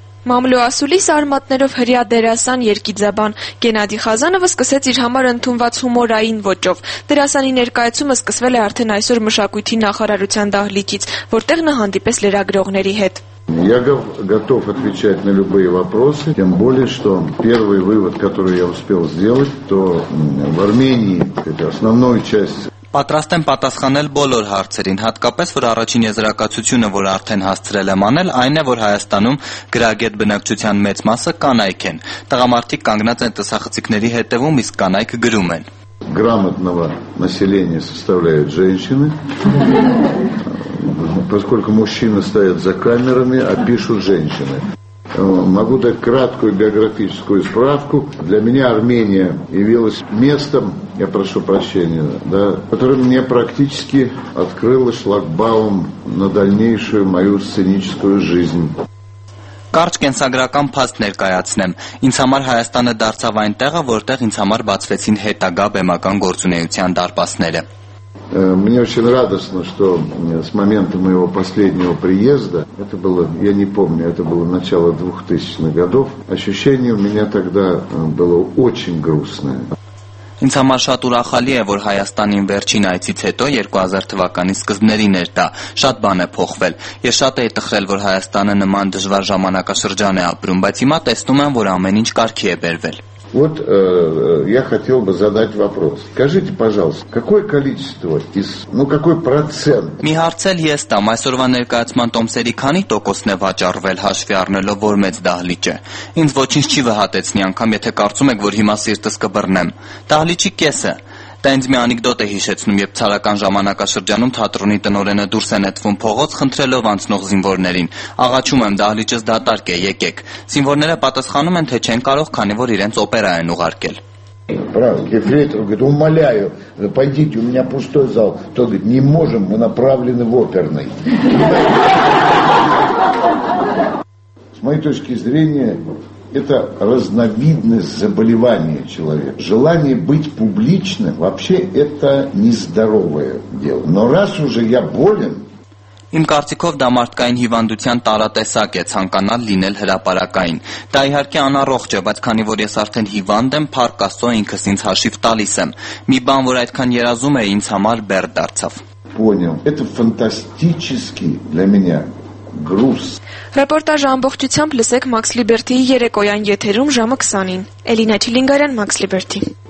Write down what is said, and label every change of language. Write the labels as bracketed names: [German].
[Armenian] Մամլո ասուլի սարմատներով հրյա դերասան երկիձաբան Գենադի Խազանովը սկսեց իր համար ընդունված հումորային ոճով։ Դերասանի ներկայացումը սկսվել է արդեն այսօր մշակույթի նախարարության դահլիճից, որտեղ նա հանդիպեց լրագրողների հետ։ [Russian] Я готов отвечать на любые вопросы, тем более, что первый вывод, который я успел сделать, то в Армении основную часть... [Armenian] Պատրաստ եմ պատասխանել բոլոր հարցերին, հատկապես որ առաջին եզրակացությունը, որ արդեն հասցրել եմ անել, այն է, որ Հայաստանում գրագետ բնակչության մեծ մասը կանայք են, տղամարդիկ կանգնած են տեսախցիկների հետևում, իսկ կանայքը գրում են։ [Russian] Грамотного населения составляют женщины, поскольку мужчины стоят за камерами, а пишут женщины. Могу дать краткую биографическую справку. Для меня Армения явилась местом, я прошу прощения, да, которое мне практически открыло шлагбаум на дальнейшую мою сценическую жизнь. [Armenian] Կարճ կենսագրական փաստ ներկայացնեմ։ Ինձ համար Հայաստանը դարձավ այն տեղը, որտեղ ինձ համար բացվեցին հետագա բեմական գործունեության դարպասները։ [Russian] Мне очень радостно, что с момента моего последнего приезда, это было, я не помню, это было начало 2000-х годов, ощущение у меня тогда было очень грустное. [Armenian] Ինձ համար շատ ուրախալի է, որ Հայաստանին վերջին այցից հետո 2000 թվականի սկզբներին էր դա, շատ բան է փոխվել։ Ես շատ էի տխրել, որ Հայաստանը նման դժվար ժամանակաշրջան է ապրում, բայց հիմա տեսնում եմ, որ ամեն ինչ կարգի է բերվել։ [Russian] Вот я хотел бы задать вопрос. Скажите, пожалуйста, какое количество из, ну, какой процент? [Armenian] Մի հարցել ես տամ, այսօրվա ներկայացման տոմսերի քանի տոկոսն է վաճառվել հաշվի առնելով որ մեծ դահլիճ է։ Ինձ ոչինչ չի վհատեցնի, անգամ եթե կարծում եք, որ հիմա սիրտս կբռնեմ։ Դահլիճի կեսը Տենց մի անեկդոտ է հիշեցնում, երբ ցարական ժամանակաշրջանում թատրոնի տնօրենը դուրս է նետվում փողոց խնդրելով անցնող զինվորներին. Աղաչում եմ, դահլիճը դատարկ է, եկեք։ Զինվորները պատասխանում են, թե չեն կարող, քանի որ իրենց օպերա են ուղարկել։ [Russian] Ефрейтор говорит, умоляю, пойдите, у меня пустой зал. Тот говорит, не можем, мы направлены в оперный. С моей точки зрения, это разновидность заболевания человека. Желание быть публичным, вообще это нездоровое дело. Но раз уже я болен... [Armenian] Իմ կարծիքով դա մարդկային հիվանդության տարատեսակ է, ցանկանալ լինել հրապարակային։ Դա իհարկե անառողջ է, բայց քանի որ ես արդեն հիվանդ եմ, Փառք Աստծո, ինքս ինձ հաշիվ տալիս եմ։ Մի բան, որ այդքան երազում է, ինձ համար բեռ դարձավ։ [Russian] Понял. Это фантастически для меня груз. [Armenian] Ռեպորտաժը ամբողջությամբ լսեք Max Liberty-ի երեկոյան եթերում ժամը 20-ին։ Էլինա Չիլինգարյան, Max Liberty.